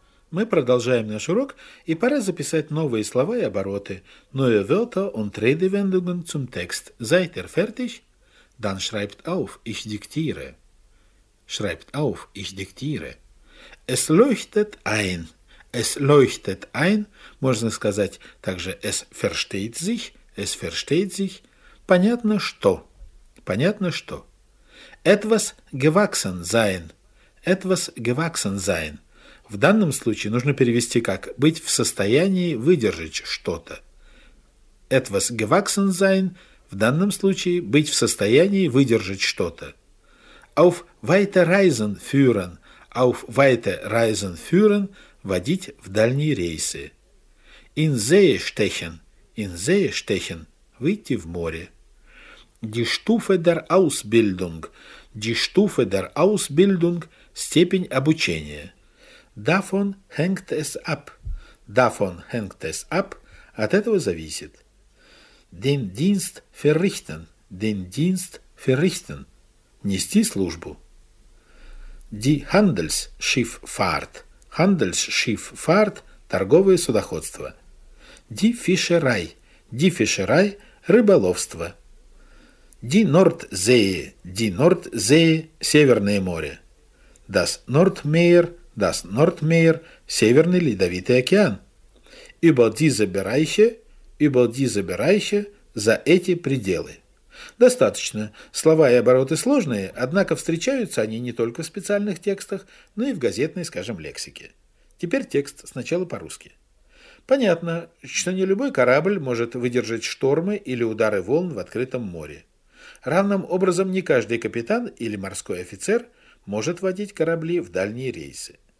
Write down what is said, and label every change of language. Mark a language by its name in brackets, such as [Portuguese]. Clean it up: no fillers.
[Russian] Мы продолжаем наш урок, и пора записать новые слова и обороты. [German] Neue Wörter und Redewendungen zum Text. Seid ihr fertig? Dann schreibt auf, ich diktiere. Schreibt auf, ich diktiere. Es leuchtet ein. Es leuchtet ein. [Russian] Можно сказать также [German] es versteht sich. Es versteht sich. [Russian] Понятно, что. Понятно, что. [German] Etwas gewachsen sein. Etwas gewachsen sein. [Russian] В данном случае нужно перевести как «быть в состоянии выдержать что-то». [German] «Etwas gewachsen sein» [Russian] – в данном случае «быть в состоянии выдержать что-то». [German] «Auf weite Reisen führen» – «auf weite Reisen führen» – [Russian] «водить в дальние рейсы». [German] «In See stechen» – «in See stechen» – [Russian] «выйти в море». [German] «Die Stufe der Ausbildung» – «die Stufe der Ausbildung» – [Russian] «степень обучения». [German] Davon hängt es ab. Davon hängt es ab. [Russian] От этого зависит. [German] Den Dienst verrichten. Den Dienst verrichten. [Russian] Нести службу. [German] Die Handelsschifffahrt. Handelsschifffahrt. [Russian] Торговое судоходство. [German] Die Fischerei. Die Fischerei. [Russian] Рыболовство. [German] Die Nordsee. Die Nordsee. [Russian] Северное море. [German] Das Nordmeer. Das Nordmeer, [Russian] Северный Ледовитый океан. [German] Über diese Bereiche, [Russian] за эти пределы. Достаточно. Слова и обороты сложные, однако встречаются они не только в специальных текстах, но и в газетной, скажем, лексике. Теперь текст сначала по-русски. Понятно, что не любой корабль может выдержать штормы или удары волн в открытом море. Равным образом не каждый капитан или морской офицер может водить корабли в дальние рейсы.